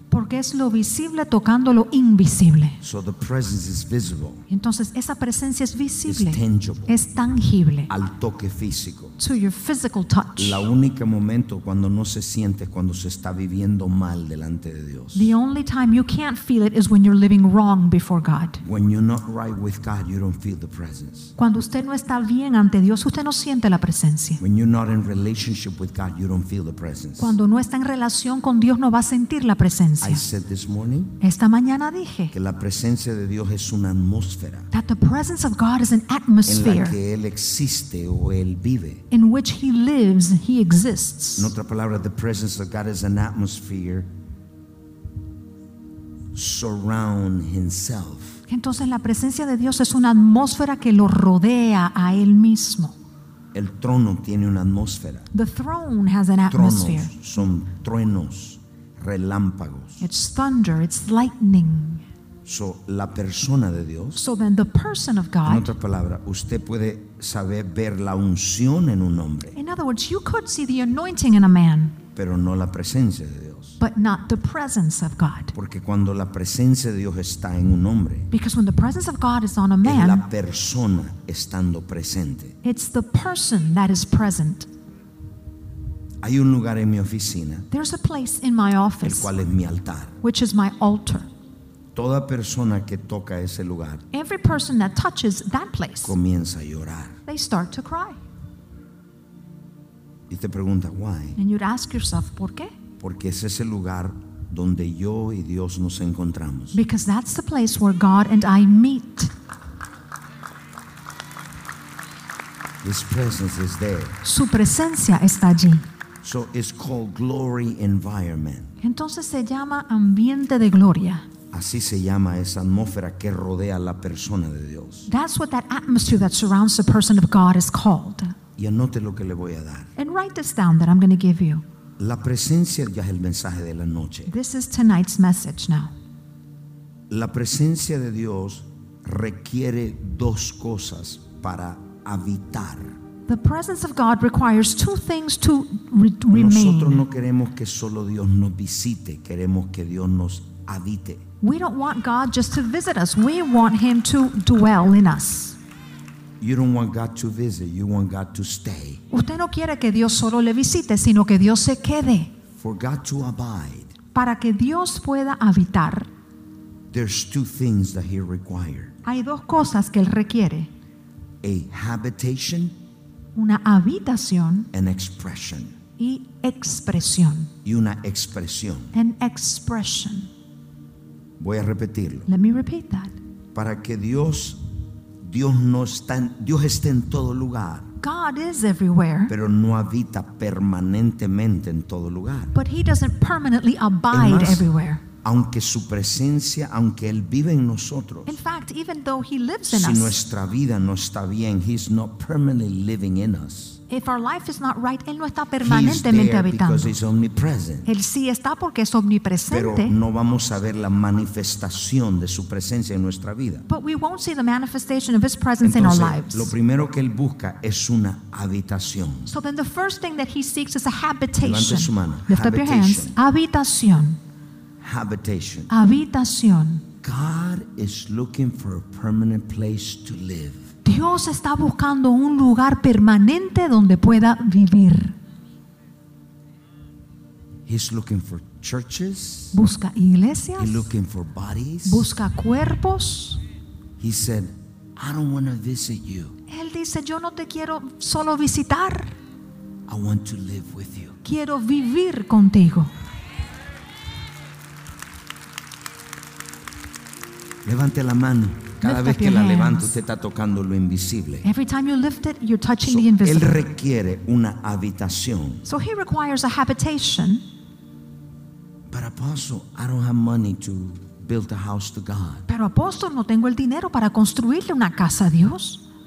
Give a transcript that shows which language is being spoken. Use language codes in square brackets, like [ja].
[es] Porque es lo visible tocando lo invisible. [en] So the presence is visible. [es] Entonces esa presencia es visible. [en] It's tangible. [es] Es tangible. Al toque físico. [en] To your physical touch. [es] La única momento cuando no se siente cuando se está viviendo mal delante de Dios. [en] The only time you can't feel it is when you're living wrong before God. When you're not right with God, you don't feel the presence. [es] Cuando usted no está bien ante Dios, usted no siente la presencia. [en] When you're not in relationship with God, you don't feel the presence. [es] Cuando no está en relación con Dios, no va a sentir la presencia. [en] I said this morning, [es] esta mañana dije, que la presencia de Dios es una atmósfera. [en] That the presence of God is an atmosphere. [es] En la que él existe o él vive. [en] In which he lives, he exists. [es] En otra palabra, [en] the presence of God is an atmosphere surround himself. [es] Entonces la presencia de Dios es una atmósfera que lo rodea a él mismo. El trono tiene una atmósfera. [en] The throne has an atmosphere. [es] Tronos son truenos, relámpagos. [en] It's thunder, it's lightning. [es] So la persona de Dios. [en] So then the person of God. [es] En otra palabra, usted puede saber ver la unción en un hombre. [en] In other words, you could see the anointing in a man. [es] Pero no la presencia de Dios. [en] But not the presence of God. [es] Porque cuando la presencia de Dios está en un hombre. [en] Because when the presence of God is on a man. [es] Es la persona estando presente. [en] It's the person that is present. [es] Hay un lugar en mi oficina. [en] There's a place in my office. [es] El cual es mi altar. [en] Which is my altar. [es] Toda persona que toca ese lugar. [en] Every person that touches that place. [es] Comienza a llorar. [en] They start to cry. [es] Y te pregunta, [en] why? And you'd ask yourself, [es] ¿por qué? Porque es ese lugar donde yo y Dios nos encontramos. [en] Because that's the place where God and I meet. His presence is there. [es] Su presencia está allí. [en] So it's called glory environment. [es] Entonces se llama ambiente de gloria. Así se llama esa atmósfera que rodea a la persona de Dios. [en] That's what that atmosphere that surrounds the person of God is called. [es] Y anote lo que le voy a dar. [en] And write this down that I'm going to give you. [es] La presencia ya es el mensaje de la noche. [en] This is tonight's message now. [es] La presencia de Dios requiere dos cosas para habitar. [en] The presence of God requires two things to remain. [es] Nosotros no queremos que solo Dios nos visite, queremos que Dios nos habite. [en] We don't want God just to visit us. We want him to dwell in us. You don't want God to visit, you want God to stay. [es] Usted no quiere que Dios solo le visite, sino que Dios se quede. [en] For God to abide, [es] para que Dios pueda habitar, [en] there's two things that he requires. [es] Hay dos cosas que él requiere. [en] A habitation, [es] una habitación, [en] an expression, [es] y expresión. Y una expresión. [en] An expression. [es] Voy a repetirlo. [en] Let me repeat that. [es] Para que Dios no está en, Dios está en todo lugar. [en] God is everywhere. [es] Pero no habita permanentemente en todo lugar. [en] But he doesn't permanently abide everywhere. [es] Aunque su presencia, aunque él vive en nosotros. [en] In fact, even though he lives in [es] si [en] us. [es] Si nuestra vida no está bien, [en] he's not permanently living in us. If our life is not right, [es] él no está permanentemente habitando. [en] He's there because he's omnipresent. [es] Él sí está porque es omnipresente. Pero no vamos a ver la manifestación de su presencia en nuestra vida. [en] But we won't see the manifestation of his presence. [es] Entonces, [en] in our lives. [es] Lo primero que él busca es una habitación. [en] So then the first thing that he seeks is a habitation. [es] Levante su mano. [en] Lift habitation. Up your hands. [es] Habitación. [en] Habitation. [es] Habitación. [en] God is looking for a permanent place to live. [es] Dios está buscando un lugar permanente donde pueda vivir. [en] He's looking for churches. [es] Busca iglesias. [en] He's looking for bodies. [es] Busca cuerpos. [en] He said, I don't want to visit you. [es] Él dice, yo no te quiero solo visitar. [en] I want to live with you. [es] Quiero vivir contigo. Levante la mano. Cada [en] lift [es] vez que la levanto, usted está tocando lo invisible. [en] Every time you lift it, you're touching the invisible. [es] Él requiere una habitación. [en] So he requires a habitation. But apostle, I don't have money to build a house to God. [es] Pero apóstol, no tengo el dinero para construirle una casa a Dios.